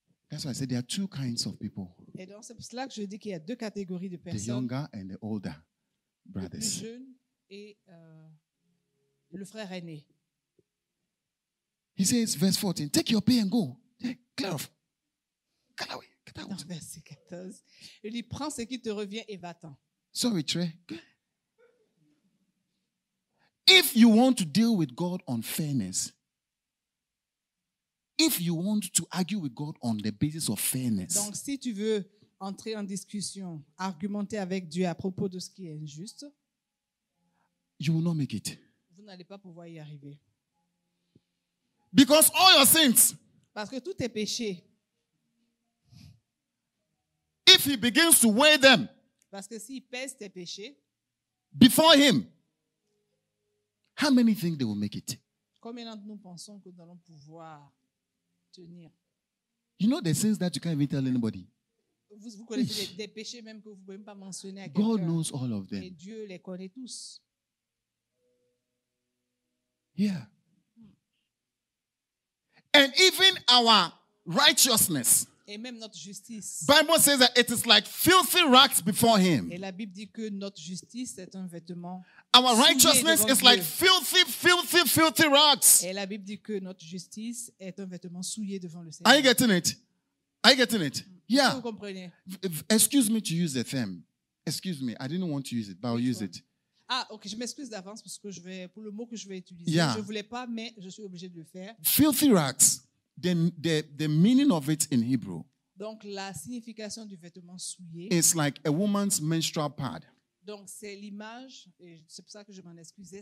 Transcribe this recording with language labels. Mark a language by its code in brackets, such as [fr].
[en] That's why I said there are two kinds of people. [fr] Et donc c'est pour cela que je dis qu'il y a deux catégories de personnes. [en] The younger and the older brothers. [fr] Le plus jeune et le frère aîné. [en] He says, verse 14, take your pay and go. Clear off. Get away. Get out. [fr] Non, verset 14. Il dit, prends ce qui te revient et va-t'en. [en] Sorry, Trey. If you want to deal with God on fairness, if you want to argue with God on the basis of fairness. [fr] Donc si tu veux entrer en discussion, argumenter avec Dieu à propos de ce qui est injuste, [en] you will not make it. [fr] Vous n'allez pas pouvoir y arriver. [en] Because all your sins. [fr] Parce que tous tes péchés. [en] If he begins to weigh them. [fr] Parce que s'il pèse tes péchés. [en] Before him. How many think they will make it? [fr] Combien d'entre nous pensons que nous allons pouvoir. [en] You know the sins that you can't even tell anybody. [fr] Vous connaissez des péchés même que vous pouvez même pas mentionner à quelqu'un. [en] God knows all of them. [fr] Et Dieu les connaît tous. [en] Yeah. And even our righteousness. [fr] Et même notre justice. [en] Bible says that it is like filthy rags before him. [fr] Et la Bible dit que notre justice est un vêtement. [en] Our righteousness is like filthy, filthy, filthy rags. [fr] Et la Bible dit que notre justice est un vêtement souillé devant le Seigneur. [en] Are you getting it? Are you getting it? Yeah. [fr] Vous comprenez? [en] Excuse me to use the term. Excuse me. I didn't want to use it, but I'll use it. Ah, ok. [fr] Je m'excuse d'avance parce que je vais pour le mot que je vais utiliser. Yeah. Je voulais pas, mais je suis obligé de le faire. [en] Filthy rags. The meaning of it in Hebrew. [fr] Donc la signification du vêtement souillé. [en] It's like a woman's menstrual pad. [fr] Donc c'est l'image, et c'est pour ça que je m'en excusais.